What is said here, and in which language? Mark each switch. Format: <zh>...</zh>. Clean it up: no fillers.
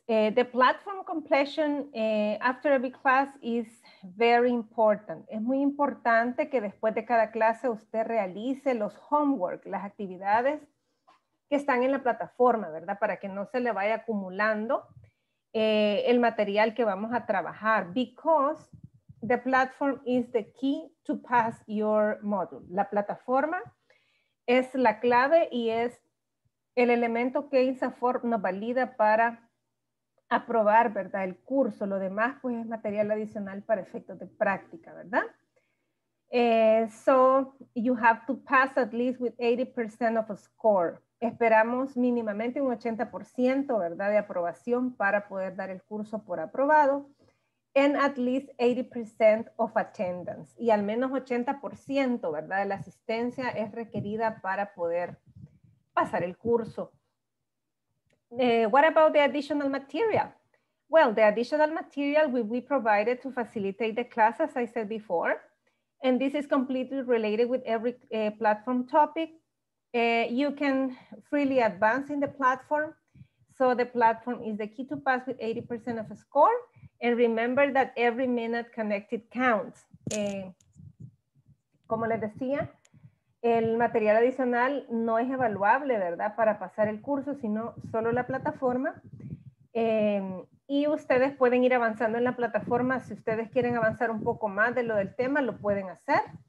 <en>The platform completion after every class is very important.</en> <es>Es muy importante que después de cada clase usted realice los homework, las actividades que están en la plataforma, ¿verdad? Para que no se le vaya acumulando el material que vamos a trabajar.</es> <en>Because the platform is the key to pass your module.</en> <es>La plataforma es la clave y es el elemento que INSAFORM nos valida para aprobar, ¿verdad?, el curso. Lo demás, pues, es material adicional para efectos de práctica, ¿verdad?</es> <en>So, you have to pass at least with 80% of a score.</en> <es>Esperamos mínimamente un 80%, ¿verdad?, de aprobación para poder dar el curso por aprobado.</es> <en>And at least 80% of attendance.</en> <es>Y al menos 80%, ¿verdad?, de la asistencia es requerida para poder pasar el curso.</es> <en>What about the additional material? Well, the additional material will be provided to facilitate the class, as I said before. And this is completely related with every platform topic. You can freely advance in the platform. So the platform is the key to pass with 80% of a score. And remember that every minute connected counts.</en> <es>Como les decía, el material adicional no es evaluable, ¿verdad?, para pasar el curso, sino solo la plataforma. Y ustedes pueden ir avanzando en la plataforma. Si ustedes quieren avanzar un poco más de lo del tema, lo pueden hacer.</es>